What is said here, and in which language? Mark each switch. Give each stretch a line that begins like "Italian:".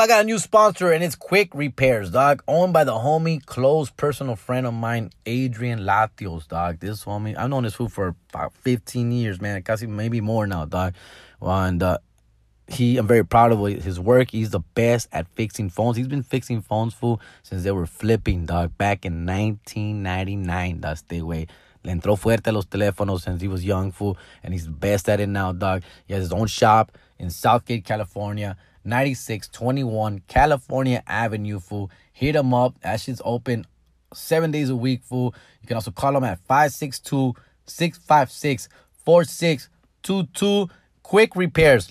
English: I got a new sponsor, and it's Quick Repairs, dog. Owned by the homie, close personal friend of mine, Adrian Latios, dog. This homie, I've known this fool for about 15 years, man.
Spanish: Casi
English: maybe more now, dog. And I'm very proud of his work. He's the best at fixing phones. He's been fixing phones, fool, since they were flipping, dog, back in 1999. That's the way.
Spanish: Le entró fuerte a los teléfonos
English: since he was young, fool. And he's the best at it now, dog. He has his own shop in Southgate, California. 9621 California Avenue, fool. Hit him up. That shit's open 7 days a week, fool. You can also call him at 562-656-4622. Quick Repairs.